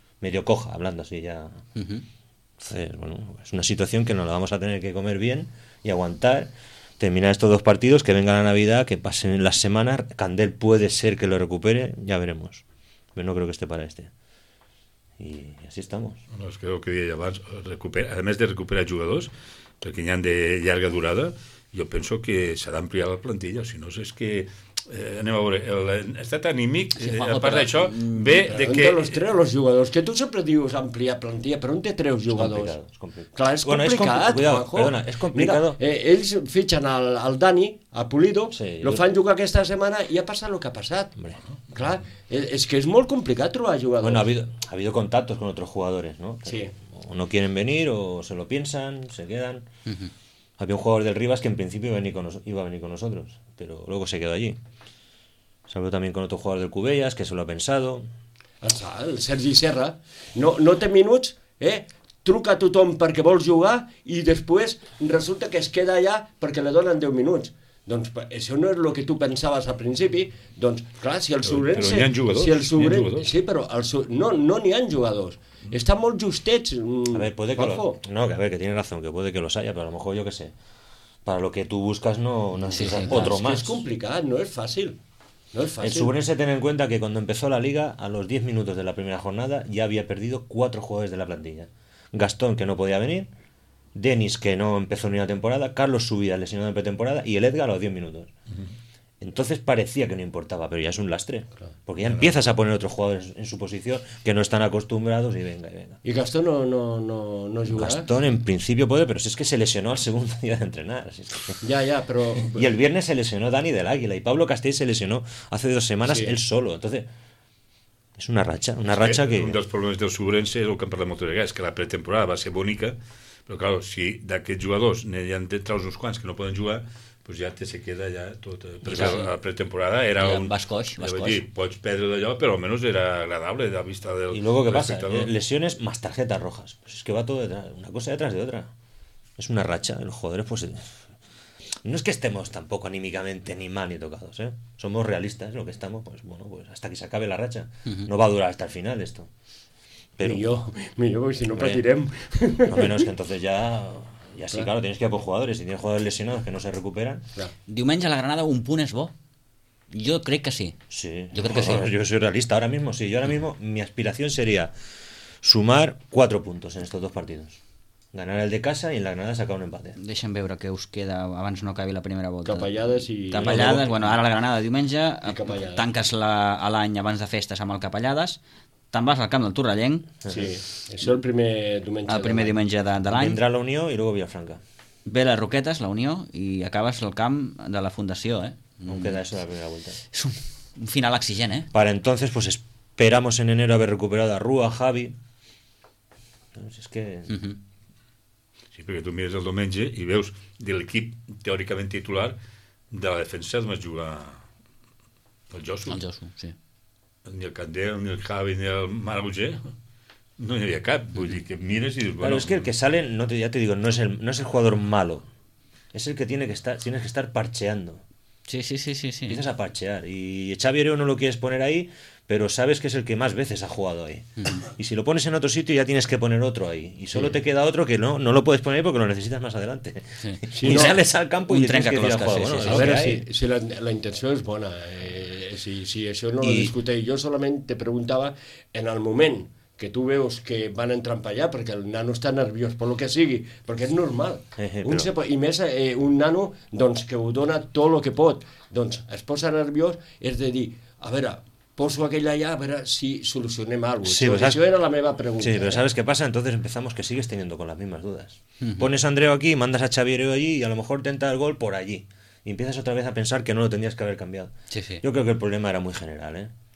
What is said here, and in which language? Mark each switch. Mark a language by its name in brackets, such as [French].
[Spanish] Medio coja, hablando así ya. Uh-huh. Entonces, bueno, es una situación que nos la vamos a tener que comer bien y aguantar. Terminar estos dos partidos, que venga la Navidad, que pasen las semanas. Candel puede ser que lo recupere, ya veremos. Pero no creo que esté para este. [Catalan] I així [Spanish] estamos. [Catalan] Bueno, es que el que deia abans, a més de recuperar jugadors, perquè n'hi ha de llarga durada, jo penso que s'ha d'ampliar la plantilla, si no és que... anem a veure, l'estat anímic, sí, Juanjo, a part però, d'això, ve de que... Però on te treu els jugadors? Que tu sempre dius ampliar plantilla, però on te treus jugadors? És complicat. És complicat. Ells fitxen el Dani, a Pulido, sí, lo fan jugar aquesta setmana i ha passat el que ha passat. Clar, és que és molt complicat trobar jugadors. [Spanish] Bueno, ha habido contactos con otros jugadores, ¿no? Sí. O no quieren venir, o se lo piensan, se quedan... Uh-huh. Había un jugador del Ribas que en principio iba a venir con nosotros, pero luego se quedó allí. Se habló también con otro jugador del Cubellas, que se lo ha pensado. [Catalan] El Sergi Serra. No, no té minuts, eh? Truca a tothom perquè vols jugar i després resulta que es queda allà perquè li donen 10 minuts. Doncs això no és el que tu pensaves al principi. Doncs clar, si el Sobrense... Però n'hi ha jugadors. Si el Sobrense, jugadors. Sí, però no n'hi ha jugadors. [Spanish] Están muy justets. A ver, puede que lo, no, que a ver, que tiene razón, que puede que los haya, pero a lo mejor yo qué sé. Para lo que tú buscas no sí, necesitas sí, otro es más. Es complicado, no es fácil. No es fácil. El Sobrense tener en cuenta que cuando empezó la liga, a los 10 minutos de la primera jornada, ya había perdido 4 jugadores de la plantilla. Gastón, que no podía venir, Denis, que no empezó ni una temporada, Carlos Subida, lesionado en pretemporada, y el Edgar a los 10 minutos. Entonces parecía que no importaba, pero ya es un lastre. Claro, porque ya claro, empiezas a poner otros jugadores en su posición que no están acostumbrados y venga, y venga. ¿Y Gastón no jugará? Gastón en principio puede, pero si es que se lesionó al segundo día de entrenar. Si es que... Ya, pero... Y el viernes se lesionó Dani del Águila y Pablo Castell se lesionó hace 2 semanas sí, él solo. Entonces, es una racha, una sí, racha que... Uno de los problemas de Osurense es lo que perdemos todavía, es que la pretemporada va a ser bonita, pero claro, si de aquellos jugadores han entrado unos cuantos que no pueden jugar... [Catalan] pues ja te se queda ja tot... Sí, sí. La pretemporada era un... Vas coix. Pots perdre d'allò, però almenys era agradable de la vista del... [Spanish] I luego, ¿qué pasa? Lesiones más tarjetas rojas. Pues es que va todo detrás, una cosa detrás de otra. Es una racha. Los jugadores, pues... No es que estemos tampoco anímicamente ni mal ni tocados, ¿eh? Somos realistas, lo que estamos, pues bueno, pues hasta que se acabe la racha. No va a durar hasta el final esto. Pero... [Catalan] Millor, [Spanish] porque si no [Catalan] patirem. [Spanish] No menos que entonces ya... Y así, claro, tienes que ir por jugadores. Si tienes jugadores lesionados que no se recuperan... Claro. [Catalan] Diumenge a la Granada, un punt es bo. [Spanish] Yo creo que sí. Sí. Yo creo que sí. Yo soy realista. Ahora mismo, sí. Yo ahora mismo, mi aspiración sería sumar 4 puntos en estos 2 partidos. Ganar el de casa y en la Granada sacar un empate. [Catalan] Deixa'm veure què us queda abans no acabi la primera volta. Capellades i... Capellades. Bueno, ara la Granada, diumenge. Tanques l'any abans de festes amb el Capellades. Te'n vas al camp del Torrellenc. Sí, això és el primer diumenge. El primer diumenge de l'any. Vindrà la Unió i després Vilafranca. Ve les Roquetes, la Unió, i acabes el camp de la Fundació, eh? No queda això de la primera volta. És un final exigent, eh? [Spanish] Per entonces, pues esperamos en enero [Catalan] haver recuperat [Spanish] a Rua, Javi. Pues es que... [Catalan] Sí, perquè tu mires el diumenge i veus de l'equip teòricament titular de la defensa només juga el Josu. El Josu, sí. Ni el Candel, ni el Javi, ni el Maragoller, no hi havia cap. Vull dir que mires i dius, [Spanish] bueno, claro, es que el que sale, no te, ya te digo, no es el jugador malo, es el que tienes que estar parcheando. Sí. Empiezas a parchear y Xavi Ereo no lo quieres poner ahí, pero sabes que es el que más veces ha jugado ahí. Y si lo pones en otro sitio ya tienes que poner otro ahí y solo te queda otro que no lo puedes poner ahí porque lo necesitas más adelante. Sí. Y si sales no, al campo y tienes que ir a jugar. Sí, bueno, sí, a ver si la intención es buena. Sí, eso no lo discuté. Yo solamente te preguntaba [Catalan] en el moment que tú veus que van a entrampallar perquè el nano està nerviós, per lo que sigui, perquè és normal. I més un nano doncs, que ho dona tot el que pot, doncs es posa nerviós, és de dir, a veure, poso aquella allà a veure si solucionem alguna cosa. Sí, pues, això era la meva pregunta. [Spanish] Sí, [Catalan] però [Spanish] ¿sabes qué pasa? Entonces empezamos que sigues teniendo con las mismas dudas. Pones a Andreu aquí, mandas a Xavier allí y a lo mejor te entra el gol por allí. Y empiezas otra vez a pensar que no lo tendrías que haber cambiado. Sí. Yo creo que el problema era muy general, ¿eh?